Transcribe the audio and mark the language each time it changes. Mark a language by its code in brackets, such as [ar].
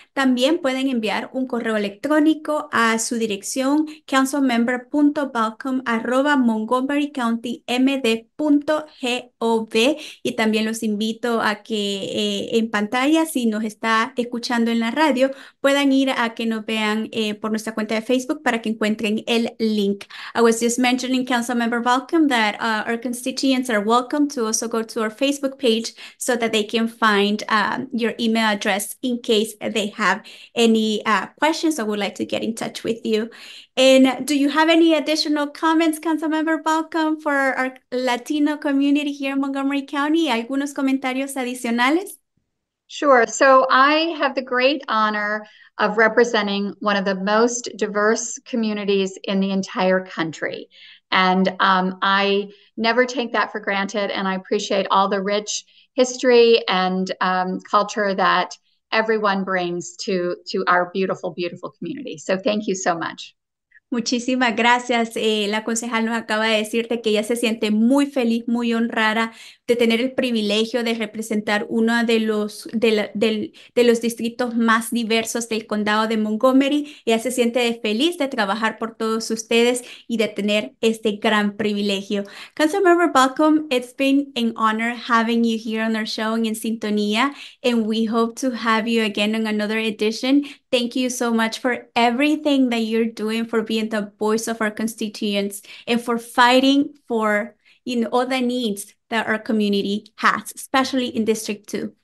[es] También pueden enviar un correo electrónico a su dirección, councilmember.balcombe@montgomerycountymd.gov, y también los invito a que en pantalla, si nos está escuchando en la radio, puedan ir a que nos vean por nuestra cuenta de Facebook para que encuentren el link. [en] I was just mentioning, Councilmember Balcombe, that our constituents are welcome to also go to our Facebook page so that they can find your email address in case they have any questions or would like to get in touch with you. And do you have any additional comments, Councilmember Balcombe, for our Latino community here in Montgomery County? [es] ¿Algunos comentarios adicionales? [en] Sure. So I have the great honor of representing one of the most diverse communities in the entire country. And I never take that for granted. And I appreciate all the rich history and culture that everyone brings to our beautiful, beautiful community. So thank you so much. [es] Muchísimas gracias. La concejal nos acaba de decirte que ella se siente muy feliz, muy honrada de tener el privilegio de representar uno de los distritos más diversos del condado de Montgomery. Ella se siente feliz de trabajar por todos ustedes y de tener este gran privilegio. [en] Councilmember Balcombe, it's been an honor having you here on our show and in Sintonia, and we hope to have you again on another edition. Thank you so much for everything that you're doing, for being the voice of our constituents, and for fighting for, you know, all the needs that our community has, especially in District 2.